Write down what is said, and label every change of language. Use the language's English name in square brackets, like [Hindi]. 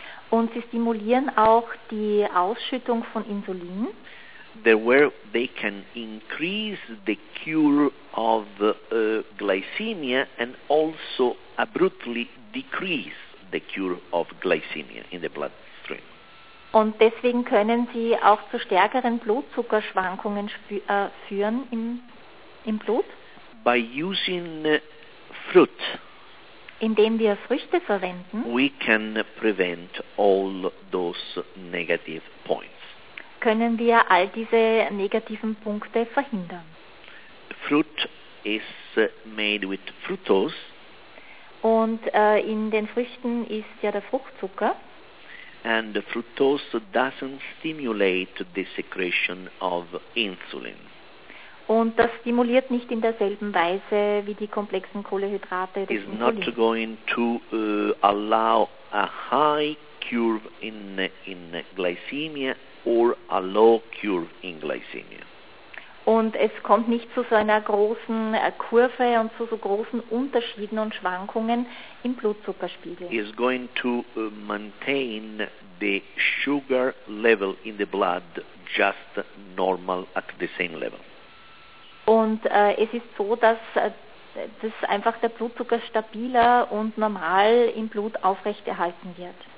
[German] Und sie stimulieren auch die Ausschüttung von Insulin. [English] There where they can increase the cure of glycemia and also abruptly decrease the cure of glycemia in the bloodstream. [German] Und deswegen können sie auch zu stärkeren Blutzuckerschwankungen führen im Blut? [English] By using fruit. [German] Indem wir Früchte verwenden. [English] We can prevent all those negative points. [German] Können wir all diese negativen Punkte verhindern? [English] Fruit is made with fructose. [German] Und in den Früchten ist ja der Fruchtzucker. [English] And fructose doesn't stimulate the secretion of insulin. [German] Und das stimuliert nicht in derselben Weise wie die komplexen Kohlenhydrate. [English] Is not going to allow a high curve in glycemia or a low curve in glycemia. [German] Und es kommt nicht zu so einer großen Kurve und zu so großen Unterschieden und Schwankungen im Blutzuckerspiegel. [English] Is going to maintain the sugar level in the blood just normal at the same level. [German] Und es ist so, dass das einfach der Blutzucker stabiler und normal im Blut aufrechterhalten wird.